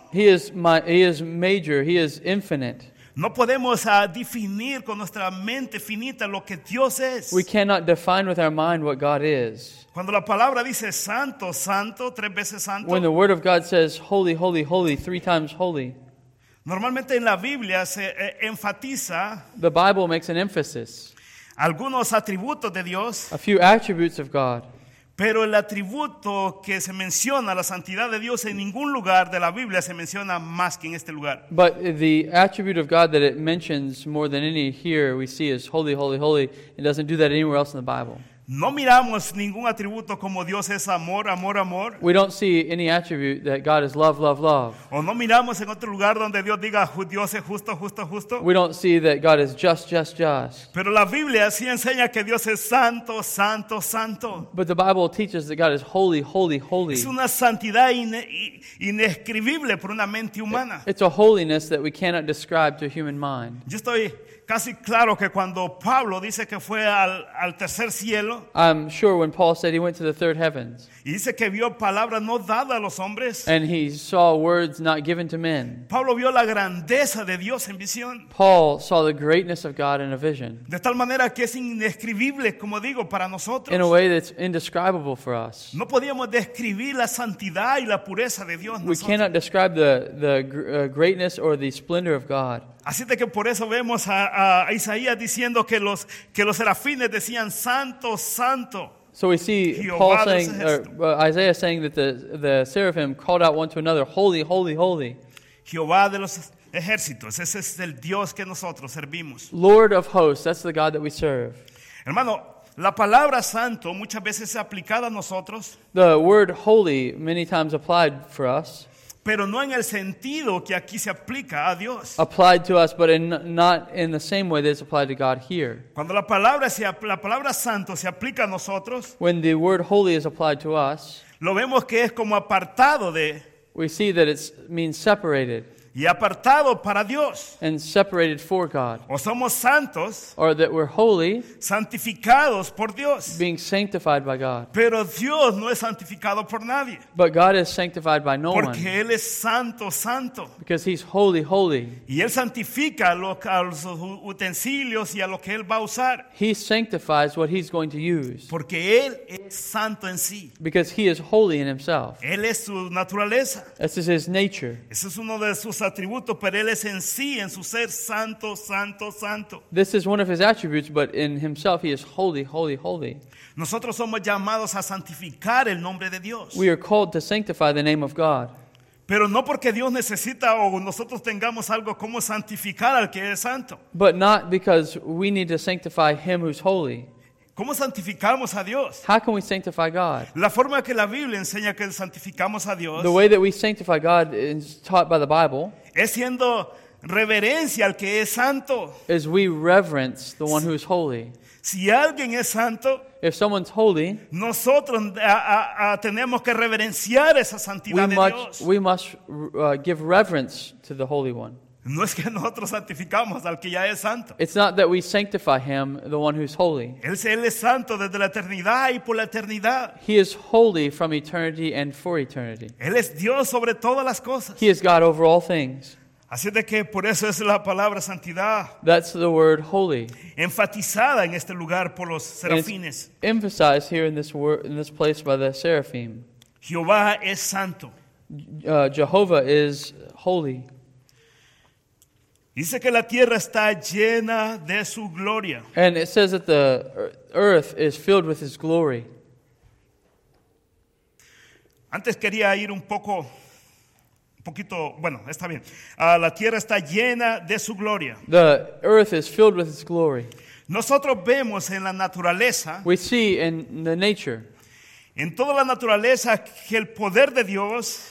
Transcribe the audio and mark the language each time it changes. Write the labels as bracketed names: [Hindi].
[English] He is major, he is infinite. [Spanish] No podemos definir con nuestra mente finita lo que Dios es. [English] We cannot define with our mind what God is. [Spanish] Cuando la palabra dice santo, santo, tres veces santo. [English] When the word of God says holy, holy, holy, three times holy. [Spanish] Normalmente en la Biblia se enfatiza. [English] The Bible makes an emphasis. [Spanish] Algunos atributos de Dios. [English] A few attributes of God. [Spanish] Pero el atributo que se menciona, la santidad de Dios, en ningún lugar de la Biblia se menciona más que en este lugar. [English] But the attribute of God that it mentions more than any here we see is holy, holy, holy. It doesn't do that anywhere else in the Bible. [Spanish] No miramos ningún atributo como Dios es amor, amor, amor. [English] We don't see any attribute that God is love, love, love. [Spanish] O no miramos en otro lugar donde Dios diga Dios es justo, justo, justo. [English] We don't see that God is just, just, just. [Spanish] Pero la Biblia sí enseña que Dios es santo, santo, santo. [English] But the Bible teaches that God is holy, holy, holy. [Spanish] Es una santidad inescribible por una mente humana. [English] It's a holiness that we cannot describe to a human mind. [Spanish] Yo estoy casi claro que cuando Pablo dice que fue al tercer cielo. [English] I'm sure when Paul said he went to the third heavens. [Spanish] Y dice que vio palabras no dadas a los hombres. [English] And he saw words not given to men. [Spanish] Pablo vio la grandeza de Dios en visión. [English] Paul saw the greatness of God in a vision. [Spanish] De tal manera que es indescribible, como digo, para nosotros. [English] In a way that's indescribable for us. [Spanish] No podíamos describir la santidad y la pureza de Dios. [English] We cannot describe the greatness or the splendor of God. [Spanish] Así de que por eso vemos a Isaías diciendo que los serafines decían santo, santo. [English] So we see Paul saying, Isaiah saying that the seraphim called out one to another, holy, holy, holy. [Spanish] Jehová de los ejércitos, ese es el Dios que nosotros servimos. [English] Lord of hosts, that's the God that we serve. [Spanish] Hermano, la palabra santo muchas veces es aplicada a nosotros. [English] The word holy many times applied for us. [Spanish] Pero no en el sentido que aquí se aplica a Dios. [English] Applied to us, but not in the same way that it's applied to God here. [Spanish] Cuando la palabra santo se aplica a nosotros. [English] When the word holy is applied to us. [Spanish] Lo vemos que es como apartado de. [English] We see that it means separated. [Spanish] Y apartado para Dios. [English] And separated for God. [Spanish] O somos santos. [English] Or that we're holy. [Spanish] Santificados por Dios. [English] Being sanctified by God. [Spanish] Pero Dios no es santificado por nadie. [English] But God is sanctified by no [Spanish] Porque [English] one. [Spanish] Porque Él es santo, santo. [English] Because He's holy, holy. [Spanish] Y Él santifica a los utensilios y a lo que Él va a usar. [English] He sanctifies what He's going to use. [Spanish] Porque Él es santo en sí. [English] Because He is holy in Himself. [Spanish] Él es su naturaleza. [English] This is His nature. [Spanish] Ese es uno de sus atributos, pero él es en sí, en su ser, santo, santo, santo. [English] This is one of his attributes, but in himself he is holy, holy, holy. [Spanish] Nosotros somos llamados a santificar el nombre de Dios. [English] We are called to sanctify the name of God. [Spanish] Pero no porque Dios necesita o nosotros tengamos algo como santificar al que es santo. [English] But not because we need to sanctify him who's holy. [Spanish] ¿Cómo santificamos a Dios? [English] How can we sanctify God? [Spanish] La forma que la Biblia enseña que santificamos a Dios. [English] The way that we sanctify God is taught by the Bible. [Spanish] Es siendo reverencia al que es santo. [English] Is we reverence the one who is holy. [Spanish] Si alguien es santo, [English] if someone's holy, [Spanish] nosotros tenemos que reverenciar esa santidad de Dios. [English] We must give reverence to the Holy One. [Spanish] No es que nosotros santificamos al que ya es santo. [English] It's not that we sanctify him, the one who's holy. [Spanish] Él es santo desde la eternidad y por la eternidad. [English] He is holy from eternity and for eternity. [Spanish] Él es Dios sobre todas las cosas. [English] He is God over all things. [Spanish] Así de que por eso es la palabra santidad. [English] That's the word holy. [Spanish] Enfatizada en este lugar por los serafines. [English] Emphasized here in this word, in this place by the seraphim. [Spanish] Jehová es santo. [English] Jehovah is holy. [Spanish] Dice que la tierra está llena de su gloria. [English] And it says that the earth is filled with his glory. [Spanish] Antes quería ir un poco, un poquito, bueno, está bien. La tierra está llena de su gloria. [English] The earth is filled with his glory. [Spanish] Nosotros vemos en la naturaleza. [English] We see in the nature. [Spanish] En toda la naturaleza que el poder de Dios.